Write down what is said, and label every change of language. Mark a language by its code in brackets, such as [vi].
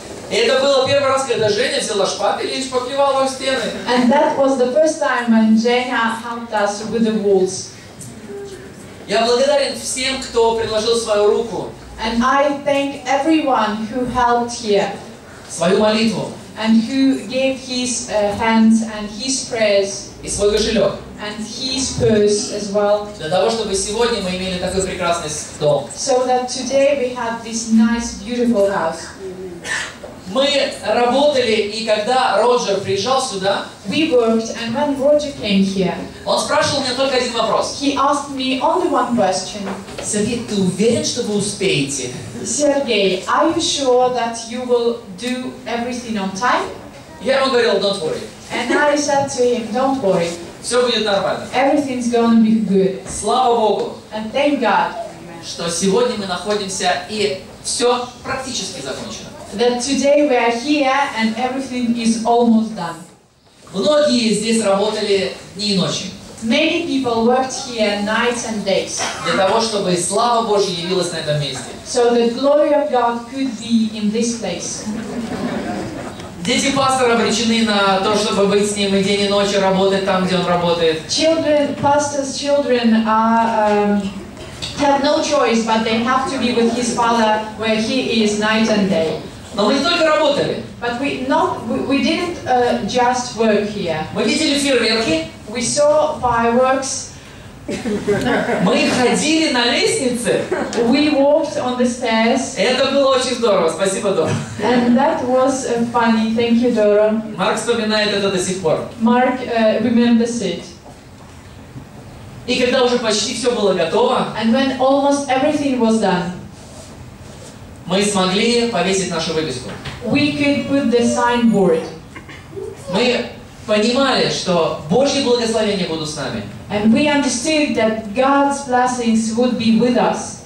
[ru] И это было первый раз, когда Женя взяла шпатель и шпаклевала стены. [en] And that was the first time when Женя helped us with the walls. [ru] Я благодарен всем, кто предложил свою руку. [en] And I thank everyone who helped here. [ru] Свою молитву. [en] And who gave his hands and his prayers. [ru] И свой кошелек. [en] And his purse as well. [ru] Для того, чтобы сегодня мы имели такой прекрасный дом. [en] So that today we have this nice, beautiful house. [ru] Мы работали, и когда Роджер приезжал сюда, [en] we worked, and when Roger came here, [ru] он спрашивал меня только один вопрос. [en] He asked me only one question. [ru] Сергей, ты уверен, что вы успеете? [en] Сергей, are you sure that you will do everything on time? [ru] Я ему говорил, [en] don't worry. And I said to him, don't worry. [ru] Все будет нормально. [en] Everything's gonna be good. [ru] Слава Богу. [en] And thank God. [ru] Что сегодня мы находимся, и все практически закончено. [en] That today we are here and everything is almost done. [ru] Многие здесь работали дни и ночи. [en] Many people worked here nights and days. [ru] Для того, чтобы слава Божья явилась на этом месте. [en] So the glory of God could be in this place. [ru] Дети пастора обречены на то, чтобы быть с ним и день и ночь и работать там, где он работает. [en] Children, pastors' children are have no choice, but they have to be with his father where he is night and day. [ru] Но мы не только работали. [en] But we didn't just work here. [ru] Мы видели фейерверки. [en] We saw fireworks. [ru] Мы ходили на лестнице. [en] We walked on the stairs. [ru] Это было очень здорово. Спасибо, Дора. [en] And that was funny. Thank you, Dora. [ru] Марк вспоминает это до сих пор. [en] Mark remembers it. [ru] И когда уже почти все было готово, [en] and when almost everything was done, [ru] мы смогли повесить нашу вывеску. [en] We could put the signboard. [ru] Мы понимали, что Божьи благословения будут с нами. [en] And we understood that God's blessings would be with us.